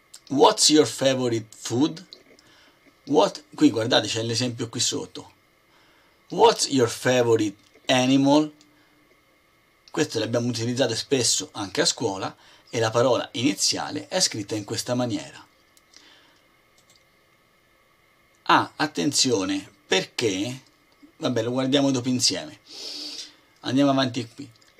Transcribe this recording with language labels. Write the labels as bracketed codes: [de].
[en] What's your favorite food? [it] What, qui guardate, c'è l'esempio qui sotto. [en] What's your favorite animal? [it] Questo l'abbiamo utilizzato spesso anche a scuola e la parola iniziale è scritta in questa maniera. Ah, attenzione, perché? Vabbè, lo guardiamo dopo insieme. Andiamo avanti qui.